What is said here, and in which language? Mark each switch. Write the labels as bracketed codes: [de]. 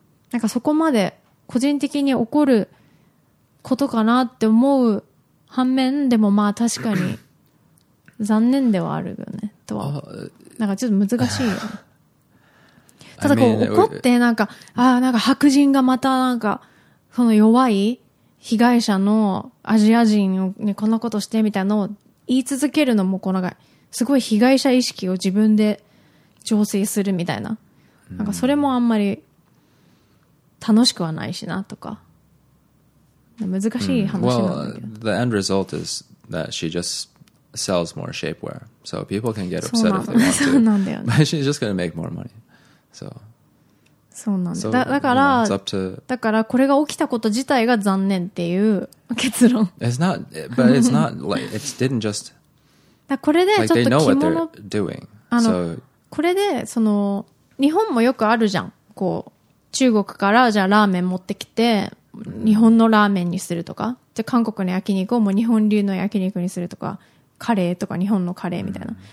[ja] なんかそこまで個人的に怒ることかなって思う反面でもまあ確かに残念ではあるよねとはなんかちょっと難しいよ、ね、ただこう怒ってなんかああなんか白人がまたなんかその弱い被害者のアジア人にこんなことしてみたいなのを言い続けるのもこうなんかすごい被害者意識を自分で醸成するみたいな、なんかそれもあんまり楽しくはないしなとか、難しい話なんだけど。 [en] Well, the end result is that she just sells more shapewear, so people can get upset if they want to. [ja] そうなんだよね。 [en] But she's just gonna make more money, so. [ja] そうなんだ。だからこれが起きたこと自体が残念っていう結論。 [en] It's not, but it's not like it didn't just. [ja] だこれでちょっと着物、 [en] like、they know what they're doing. So, [ja] これでその日本もよくあるじゃん。こう中国からじゃあラーメン持ってきて日本のラーメンにするとか、じゃあ韓国の焼肉をもう日本流の焼肉にするとか、カレーとか日本のカレーみたいな。